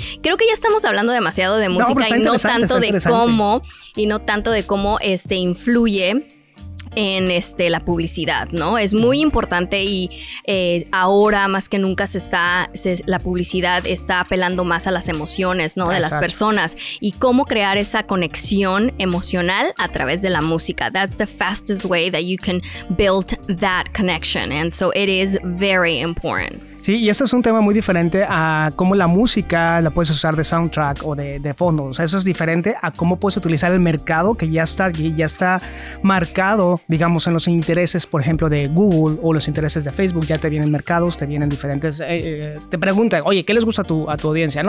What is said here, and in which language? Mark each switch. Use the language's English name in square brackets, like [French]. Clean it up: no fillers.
[Spanish] Creo que ya estamos hablando demasiado de música y no tanto de cómo influye en la publicidad, ¿no? Es muy importante y ahora más que nunca la publicidad está apelando más a las emociones, ¿no? Exacto. De las personas, y cómo crear esa conexión emocional a través de la música. [English] That's the fastest way that you can build that connection, and so it is very important. [Spanish] Sí, y eso es un tema muy diferente a cómo la música la puedes usar de soundtrack o de fondo. O sea, eso es diferente a cómo puedes utilizar el mercado que ya está marcado, digamos, en los intereses, por ejemplo, de Google o los intereses de Facebook. Ya te vienen mercados, te vienen diferentes... te preguntan, oye, ¿qué les gusta a tu audiencia?